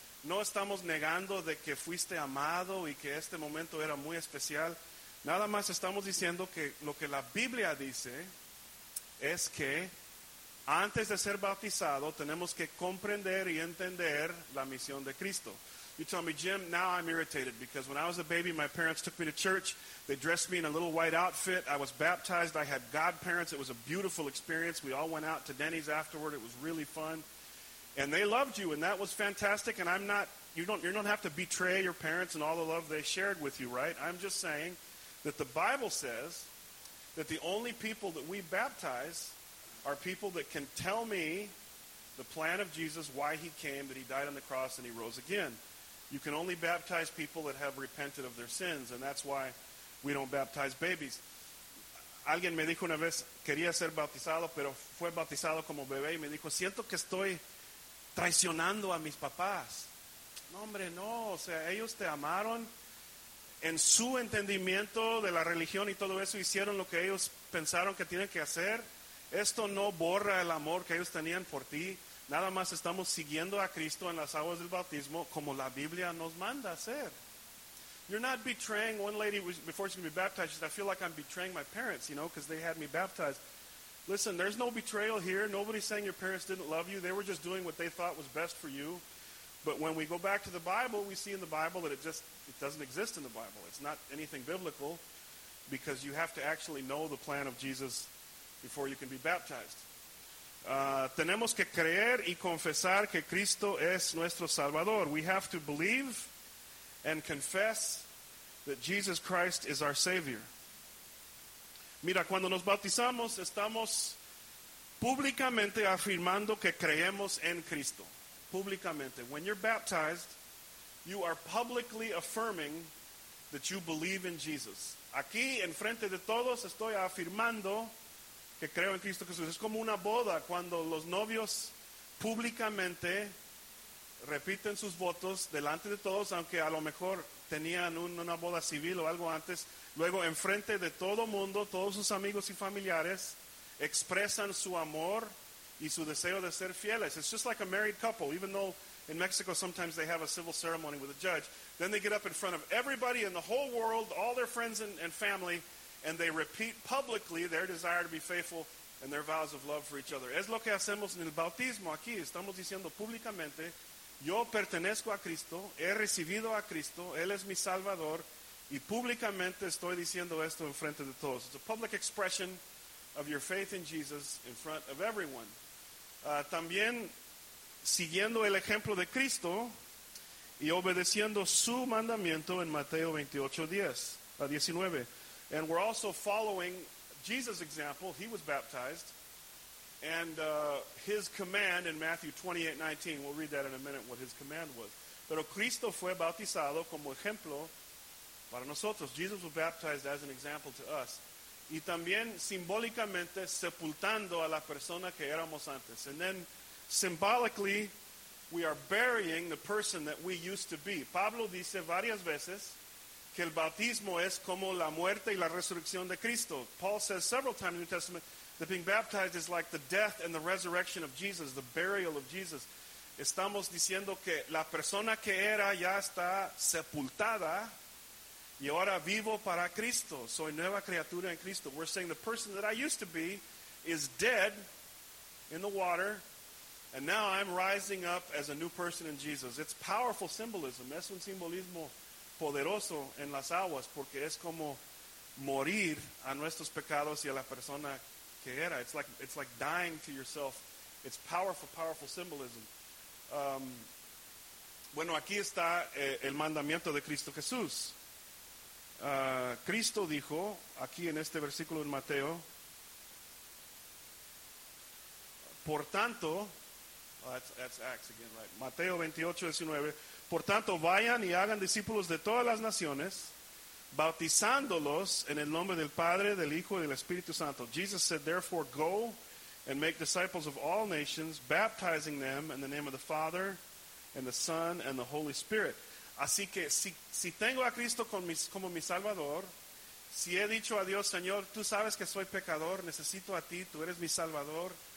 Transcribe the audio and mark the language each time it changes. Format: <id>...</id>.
<es>No estamos negando de que fuiste amado y que este momento era muy especial. Nada más estamos diciendo que lo que la Biblia dice es que antes de ser bautizado tenemos que comprender y entender la misión de Cristo.</es> <en>You tell me, Jim, now I'm irritated because when I was a baby, my parents took me to church. They dressed me in a little white outfit. I was baptized. I had godparents. It was a beautiful experience. We all went out to Denny's afterward. It was really fun. And they loved you, and that was fantastic. And you don't have to betray your parents and all the love they shared with you, right? I'm just saying that the Bible says that the only people that we baptize are people that can tell me the plan of Jesus, why he came, that he died on the cross, and he rose again. You can only baptize people that have repented of their sins, and that's why we don't baptize babies.</en> <es>Alguien me dijo una vez, quería ser bautizado, pero fue bautizado como bebé, y me dijo, siento que estoy traicionando a mis papás. No, hombre, no, o sea, ellos te amaron en su entendimiento de la religión y todo eso, hicieron lo que ellos pensaron que tienen que hacer. Esto no borra el amor que ellos tenían por ti. Nada más estamos siguiendo a Cristo en las aguas del bautismo como la Biblia nos manda hacer.</es> <en>You're not betraying. One lady, before she's going to be baptized, she said, I feel like I'm betraying my parents, you know, because they had me baptized. Listen, there's no betrayal here. Nobody's saying your parents didn't love you. They were just doing what they thought was best for you. But when we go back to the Bible, we see in the Bible that it doesn't exist in the Bible. It's not anything biblical because you have to actually know the plan of Jesus before you can be baptized.</en> <es>Tenemos que creer y confesar que Cristo es nuestro Salvador.</es> <en>We have to believe and confess that Jesus Christ is our Savior.</en> <es>Mira, cuando nos bautizamos, estamos públicamente afirmando que creemos en Cristo. Públicamente.</es> <en>When you're baptized, you are publicly affirming that you believe in Jesus.</en> <es>Aquí, enfrente de todos, estoy afirmando que creo en Cristo Jesús. Es como una boda cuando los novios públicamente repiten sus votos delante de todos, aunque a lo mejor tenían una boda civil o algo antes. Luego, enfrente de todo mundo, todos sus amigos y familiares expresan su amor y su deseo de ser fieles.</es> <en>It's just like a married couple, even though in Mexico sometimes they have a civil ceremony with a judge. Then they get up in front of everybody in the whole world, all their friends and family, and they repeat publicly their desire to be faithful and their vows of love for each other.</en> <es>Es lo que hacemos en el bautismo aquí. Estamos diciendo públicamente Yo pertenezco a Cristo, he recibido a Cristo, Él es mi Salvador, y públicamente estoy diciendo esto en frente de todos.</es> <en>It's a public expression of your faith in Jesus in front of everyone.</en> <es>También, siguiendo el ejemplo de Cristo y obedeciendo su mandamiento en Mateo 28:10-19.</es> <en>And we're also following Jesus' example. He was baptized. And his command in Matthew 28:19, we'll read that in a minute, what his command was.</en> <es>Pero Cristo fue bautizado como ejemplo para nosotros.</es> <en>Jesus was baptized as an example to us.</en> <es>Y también simbólicamente sepultando a la persona que éramos antes.</es> <en>And then symbolically, we are burying the person that we used to be.</en> <es>Pablo dice varias veces que el bautismo es como la muerte y la resurrección de Cristo.</es> <en>Paul says several times in the New Testament that being baptized is like the death and the resurrection of Jesus, the burial of Jesus.</en> <es>Estamos diciendo que la persona que era ya está sepultada y ahora vivo para Cristo. Soy nueva criatura en Cristo.</es> <en>We're saying the person that I used to be is dead in the water, and now I'm rising up as a new person in Jesus. It's powerful symbolism.</en> <es>Es un simbolismo poderoso en las aguas porque es como morir a nuestros pecados y a la persona que era.</es> <en>It's like dying to yourself. It's powerful, powerful symbolism.</en> <es>Bueno, aquí está el mandamiento de Cristo Jesús. Cristo dijo, aquí en este versículo en Mateo, por tanto,</es> <en>that's Acts again, right?</en> <es>Mateo 28:19. Por tanto, vayan y hagan discípulos de todas las naciones, bautizándolos en el nombre del Padre, del Hijo y del Espíritu Santo.</es> <en>Jesus said, therefore, go and make disciples of all nations, baptizing them in the name of the Father and the Son and the Holy Spirit.</en> <es>Así que si tengo a Cristo como mi Salvador, si he dicho a Dios, Señor, tú sabes que soy pecador, necesito a ti, tú eres mi Salvador.</es>